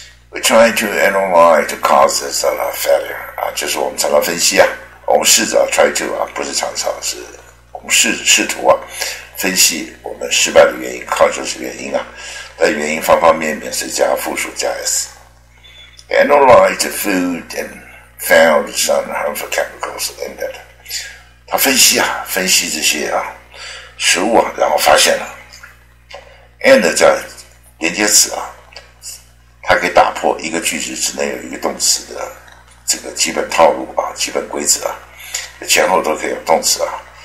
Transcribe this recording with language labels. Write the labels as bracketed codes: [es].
[en] We try to analyze the causes of a failure. [zh] 啊，就是我们常常分析啊，我们试着 [en] try to [zh] 啊，不是常常，是我们试图啊，分析我们失败的原因 ，causes 原因啊，但原因方方面面是加复数加 s. [en] Analyze the food and found some harmful chemicals in that. [zh] 他分析啊，分析这些啊食物啊，然后发现了 and 加连接词啊。它可以打破一个句子只能有一个动词的这个基本套路啊，基本规则啊，前后都可以有动词啊。